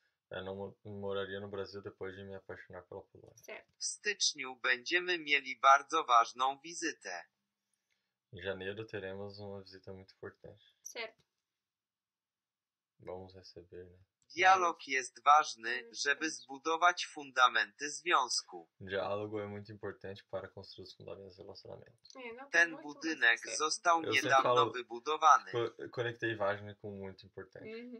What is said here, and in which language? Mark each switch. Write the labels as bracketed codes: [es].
[pt] Não moraria no Brasil depois de me apaixonar pela Polônia. Certo. [pl] W styczniu będziemy mieli bardzo ważną wizytę. [pt] Em janeiro teremos uma visita muito importante. Certo. Vamos receber, né? [pl] Dialog jest ważny, żeby zbudować fundamenty związku. [pt] Diálogo é muito importante para construir os fundamentos do relacionamento. [pl] Ten budynek został niedawno wybudowany. [pt] Conectei ważny com muito importante.